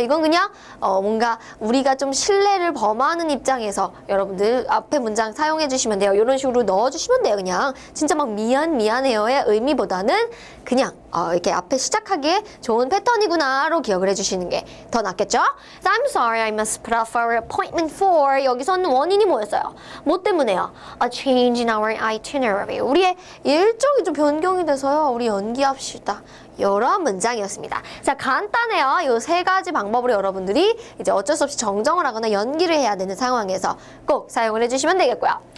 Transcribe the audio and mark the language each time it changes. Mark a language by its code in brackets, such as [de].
[ko] 이건 그냥 뭔가 우리가 좀 신뢰를 범하는 입장에서 여러분들 앞에 문장 사용해주시면 돼요. 이런 식으로 넣어주시면 돼요. 그냥 진짜 막 미안해요의 의미보다는 그냥 이렇게 앞에 시작하기에 좋은 패턴이구나로 기억을 해주시는 게 더 낫겠죠? [en] So I'm sorry, I must put off our appointment for. [ko] 여기서는 원인이 뭐였어요? 뭐 때문에요? [en] A change in our itinerary. [ko] 우리의 일정이 좀 변경이 돼서요. 우리 연기합시다. 이런 문장이었습니다. 자, 간단해요. 이 세 가지 방법으로 여러분들이 이제 어쩔 수 없이 정정을 하거나 연기를 해야 되는 상황에서 꼭 사용을 해주시면 되겠고요.